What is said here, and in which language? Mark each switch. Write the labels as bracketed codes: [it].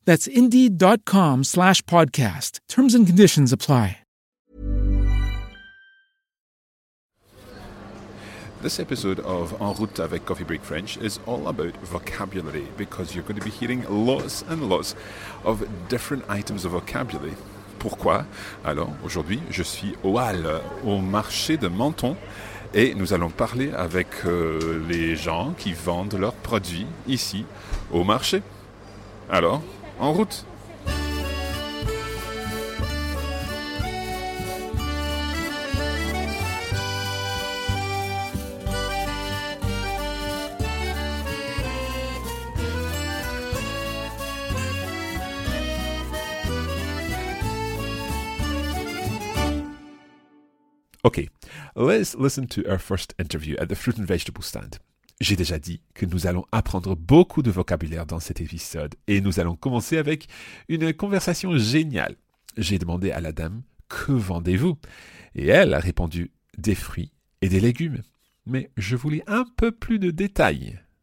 [en] That's Indeed.com/podcast. Terms and conditions apply. This episode of En Route avec Coffee Break French is all about vocabulary, because you're going to be hearing lots and lots of different items of vocabulary. [fr] Pourquoi? Alors, aujourd'hui, je suis au hall, au marché de Menton, et nous allons parler avec les gens qui vendent leurs produits ici, au marché. Alors, en route! [en] Okay, let's listen to our first interview at the fruit and vegetable stand. [fr] J'ai déjà dit que nous allons apprendre beaucoup de vocabulaire dans cet épisode et nous allons commencer avec une conversation géniale. J'ai demandé à la dame « Que vendez-vous ?» et elle a répondu « Des fruits et des légumes. » Mais je voulais un peu plus de détails.